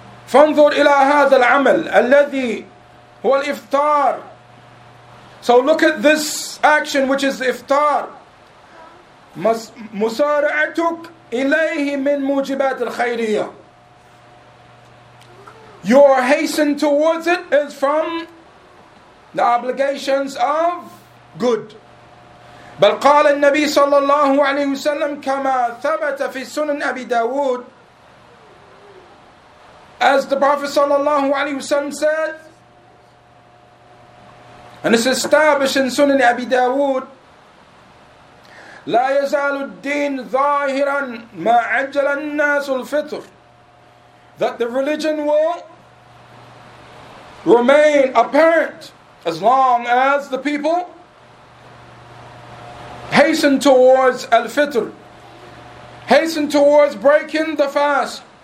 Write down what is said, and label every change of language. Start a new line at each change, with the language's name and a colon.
Arabic: فانظر إلى هذا العمل الذي هو الإفطار.
English: So look at this action which is iftar.
Arabic: مسارعتك إليه من موجبات الخيرية.
English: Your hasten towards it is from the obligations of good.
Arabic: بل قال النبي صلى الله عليه وسلم كما ثبت في سنن أبي داود.
English: As the Prophet
Arabic: صلى الله عليه وسلم
English: said, and it's established in Sunan Abi Dawood,
Arabic: لا يزال الدين ظاهرا ما عجل الناس الفطر,
English: that the religion will remain apparent as long as the people hasten towards al-fitr, hasten towards breaking the fast.